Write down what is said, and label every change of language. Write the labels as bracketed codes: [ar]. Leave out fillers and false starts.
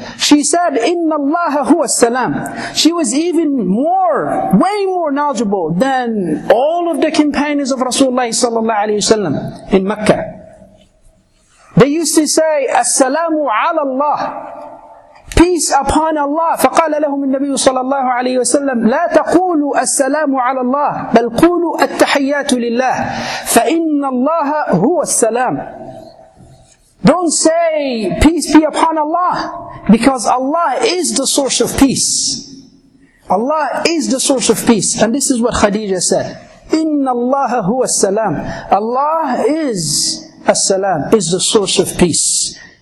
[en] She said, [ar] "Inna Allah huwa as-salam." [en] She was even more, way more knowledgeable than all of the companions of Rasulullah sallallahu alayhi wa sallam in Mecca. They used to say, [ar] "As-salamu ala Allah." [en] Peace upon Allah. [ar] فقال لهم النبي صلى الله عليه وسلم لا تقولوا السلام على الله بل قولوا التحيات لله فإن الله هو السلام. [en] Don't say peace be upon Allah, because Allah is the source of peace. Allah is the source of peace. And this is what Khadija said. [ar] إِنَّ اللَّهَ هُوَ السَّلَامُ. [en] Allah is As-Salam, is the source of peace.